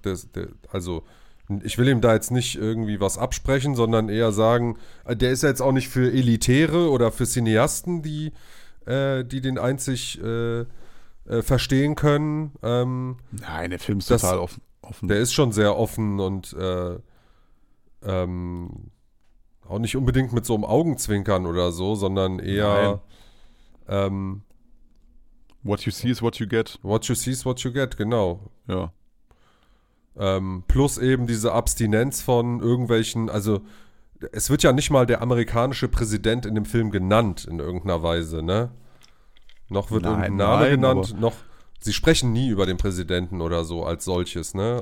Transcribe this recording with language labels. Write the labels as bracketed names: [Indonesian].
[German] Ich will ihm da jetzt nicht irgendwie was absprechen, sondern eher sagen, der ist ja jetzt auch nicht für Elitäre oder für Cineasten, die den einzig verstehen können. Nein, der Film ist total offen. Der ist schon sehr offen und auch nicht unbedingt mit so einem Augenzwinkern oder so, sondern eher... [English] What you see is what you get. What you see is what you get, genau. [German] Ja. Plus eben diese Abstinenz von irgendwelchen, also es wird ja nicht mal der amerikanische Präsident in dem Film genannt in irgendeiner Weise, ne? Noch wird irgendein Name genannt, noch, sie sprechen nie über den Präsidenten oder so als solches, ne?